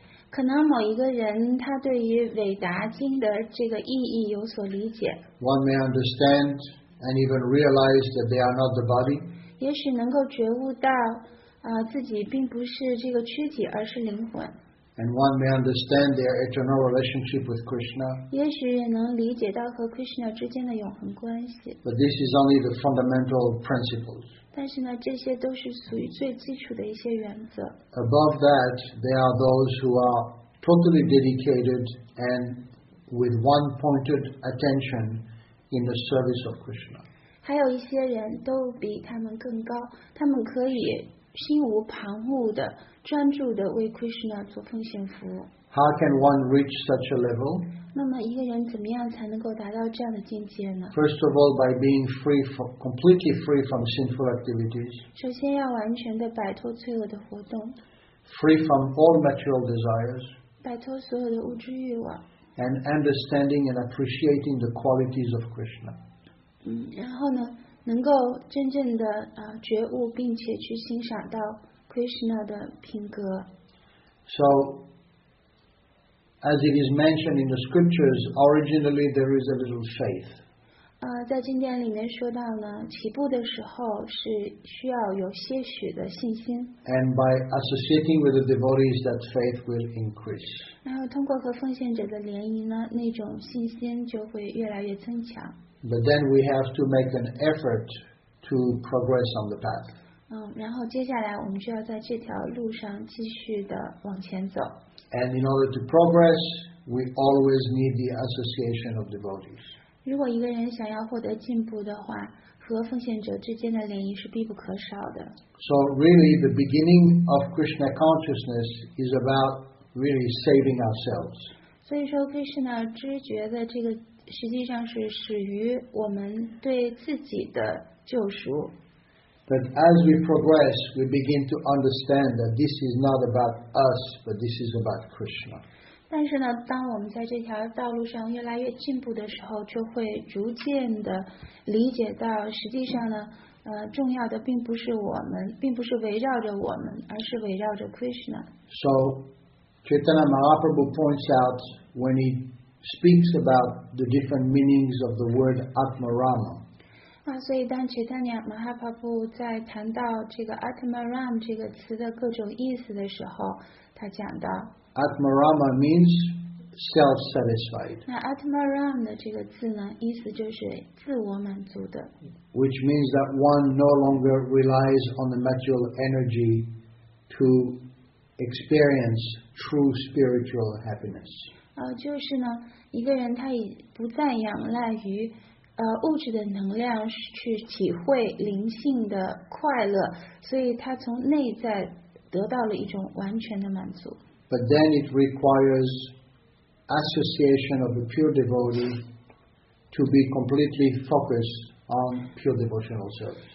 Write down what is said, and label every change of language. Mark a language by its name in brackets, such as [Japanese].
[Chinese] 可能某一个人他对于韦达经的这个意义有所理解。 [English] One may understand and even realize that they are not the body. [Chinese] 也许能够觉悟到自己并不是这个躯体，而是灵魂。 [English] And one may understand their eternal relationship with Krishna. [Chinese] 也许也能理解到和 Krishna 之间的永恒关系。 [English] But this is only the fundamental principles. [Chinese] 但是呢，这些都是属于最基础的一些原则。 [English] Above that, there are those who are totally dedicated and with one-pointed attention in the service of Krishna. [Chinese] 还有一些人都比他们更高，他们可以心无旁骛的、专注的为 Krishna 做奉献服务。 [English] How can one reach such a level? [Chinese] 那么一个人怎么样才能够达到这样的境界呢？ [English] First of all, by being free from, completely free from sinful activities. [Chinese] 首先要完全地摆脱罪恶的活动。 [English] Free from all material desires. [Chinese] 摆脱所有的物质欲望。 [English] And understanding and appreciating the qualities of Krishna. [Chinese] 然后呢，能够真正的觉悟，并且去欣赏到 Krishna 的品格。 [English] So,As it is mentioned in the scriptures, originally there is a little faith. [Chinese] 在经典里面说到呢，起步的时候是需要有些许的信心。 [English] And by associating with the devotees, that faith will increase. [Chinese] 然后通过和奉献者的联谊呢，那种信心就会越来越增强。 [English] But then we have to make an effort to progress on the path. [Chinese] 然后接下来我们就要在这条路上继续的往前走。 [English] And in order to progress, we always need the association of devotees. [Chinese] 如果一个人想要获得进步的话，和奉献者之间的联谊是必不可少的。 [English] So really, the beginning of Krishna consciousness is about really saving ourselves. [Chinese] 所以说费氏呢知觉的这个实际上是始于我们对自己的救赎。 [English] But as we progress, we begin to understand that this is not about us, but this is about Krishna. [Chinese] 但是呢，当我们在这条道路上越来越进步的时候，就会逐渐的理解到，实际上呢，重要的并不是我们，并不是围绕着我们，而是围绕着 Krishna. [English] So, Chaitanya Mahaprabhu points out when he speaks about the different meanings of the word Atmarama. [Chinese] 所以当切坦尼亚马哈帕布在谈到这个 Atmaram 这个词的各种意思的时候，他讲到 [English] Atmarama means self-satisfied. [Chinese] 那 Atmaram 的这个字呢，意思就是自我满足的。 [English] Which means that one no longer relies on the material energy to experience true spiritual happiness. [Chinese] 就是呢，一个人他已不再仰赖于物质的能量去体会灵性的快乐，所以他从内在得到了一种完全的满足。 [English] But then it requires association of the pure devotee to be completely focused on pure devotional service.